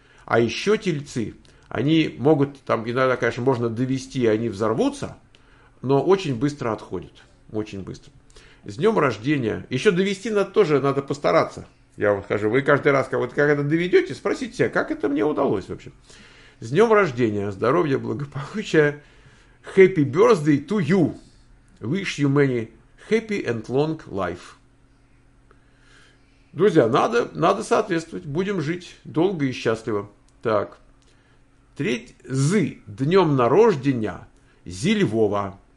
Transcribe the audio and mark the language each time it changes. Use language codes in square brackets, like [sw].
[ru] А еще тельцы, они могут, там иногда, конечно, можно довести, и они взорвутся, но очень быстро отходят. Очень быстро. С днем рождения. Еще довести надо тоже, надо постараться. Я вам скажу, вы каждый раз, вот, когда доведете, спросите себя, как это мне удалось вообще. С днем рождения, здоровья, благополучия. [en] Happy birthday to you. Wish you many happy and long life. [ru] Друзья, надо соответствовать. Будем жить долго и счастливо. Так. Зы. Днем нарождения зі Львова.